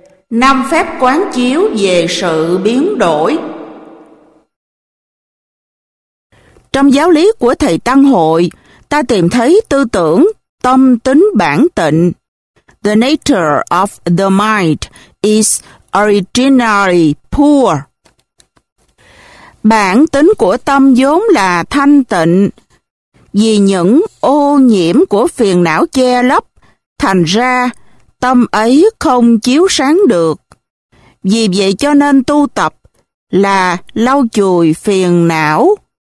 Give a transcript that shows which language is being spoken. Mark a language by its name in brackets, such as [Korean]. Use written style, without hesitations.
[Vietnamese] Năm phép quán chiếu về sự biến đổi. Trong giáo lý của thầy Tăng Hội, ta tìm thấy tư tưởng tâm tính bản tịnh. [English] The nature of the mind is originally pure. [Vietnamese] Bản tính của tâm vốn là thanh tịnh. Vì những ô nhiễm của phiền não che lấp, thành ra tâm ấy không chiếu sáng được. Vì vậy cho nên tu tập là lau chùi phiền não.